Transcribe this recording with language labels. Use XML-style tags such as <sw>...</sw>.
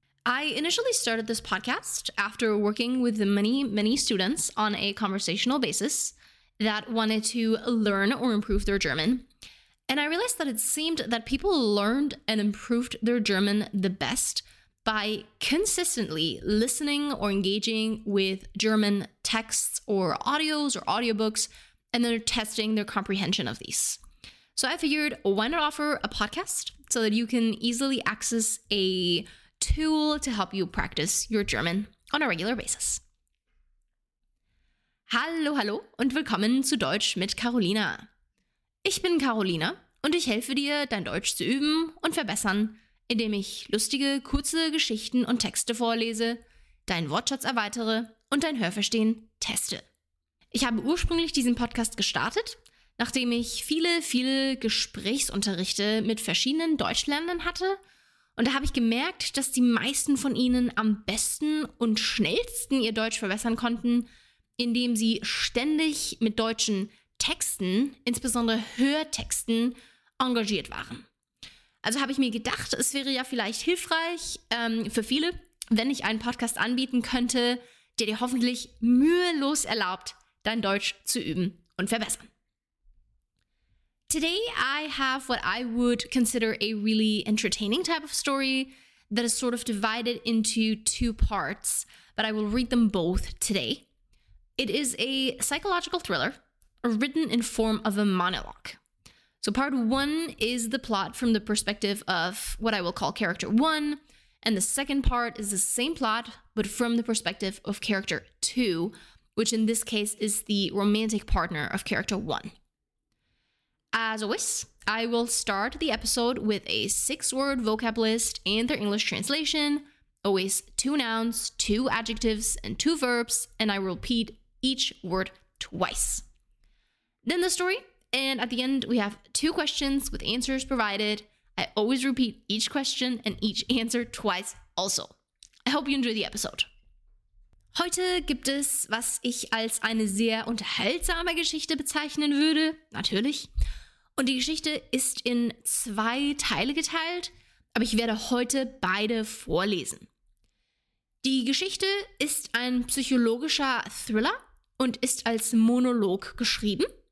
<en>I initially started this podcast after working with many, many students on a conversational basis that wanted to learn or improve their German, and I realized that it seemed that people learned and improved their German the best by consistently listening or engaging with German texts or audios or audiobooks, and then testing their comprehension of these. So I figured, why not offer a podcast so that you can easily access a tool to help you practice your German on a regular basis.</en> <de>Hallo, hallo und willkommen zu Deutsch mit Carolina. Ich bin Carolina und ich helfe dir, dein Deutsch zu üben und verbessern, indem ich lustige, kurze Geschichten und Texte vorlese, deinen Wortschatz erweitere und dein Hörverstehen teste. Ich habe ursprünglich diesen Podcast gestartet, nachdem ich viele, viele Gesprächsunterrichte mit verschiedenen Deutschlernenden hatte. Und da habe ich gemerkt, dass die meisten von ihnen am besten und schnellsten ihr Deutsch verbessern konnten, indem sie ständig mit deutschen Texten, insbesondere Hörtexten, engagiert waren. Also habe ich mir gedacht, es wäre ja vielleicht hilfreich für viele, wenn ich einen Podcast anbieten könnte, der dir hoffentlich mühelos erlaubt, dein Deutsch zu üben und verbessern.</de> <en>Today I have what I would consider a really entertaining type of story that is sort of divided into two parts, but I will read them both today. It is a psychological thriller written in form of a monologue. So part one is the plot from the perspective of what I will call character one, and the second part is the same plot, but from the perspective of character two, which in this case is the romantic partner of character one. As always, I will start the episode with a six-word vocab list and their English translation, always two nouns, two adjectives, and two verbs, and I repeat each word twice. Then the story. And at the end, we have two questions with answers provided. I always repeat each question and each answer twice also. I hope you enjoy the episode.</en> <de>Heute gibt es, was ich als eine sehr unterhaltsame Geschichte bezeichnen würde, natürlich. Und die Geschichte ist in zwei Teile geteilt, aber ich werde heute beide vorlesen. Die Geschichte ist ein psychologischer Thriller und ist als Monolog geschrieben.</de>